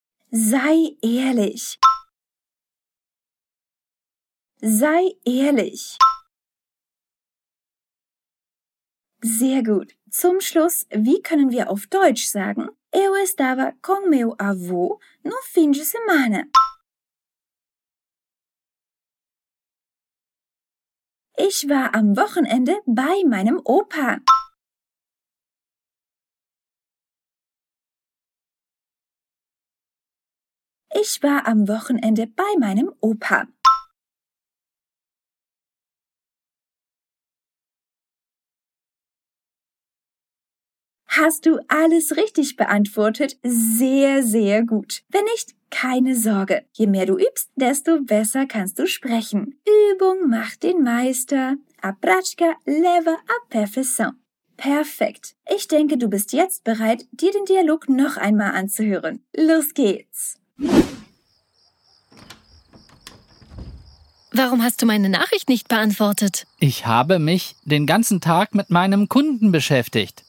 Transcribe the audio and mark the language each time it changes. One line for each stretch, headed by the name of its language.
German: Sei ehrlich. Sei ehrlich. Sehr gut. Zum Schluss, wie können wir auf Deutsch sagen?
Portuguese: Eu estava com meu avô no fim de semana.
German: Ich war am Wochenende bei meinem Opa. Ich war am Wochenende bei meinem Opa. Hast du alles richtig beantwortet? Sehr, sehr gut. Wenn nicht, keine Sorge. Je mehr du übst, desto besser kannst du sprechen. Übung macht den Meister.
Portuguese: A prática leva a perfeição.
German: Perfekt. Ich denke, du bist jetzt bereit, dir den Dialog noch einmal anzuhören. Los geht's. Warum hast du meine Nachricht nicht beantwortet? Ich habe mich den ganzen Tag mit meinem Kunden beschäftigt.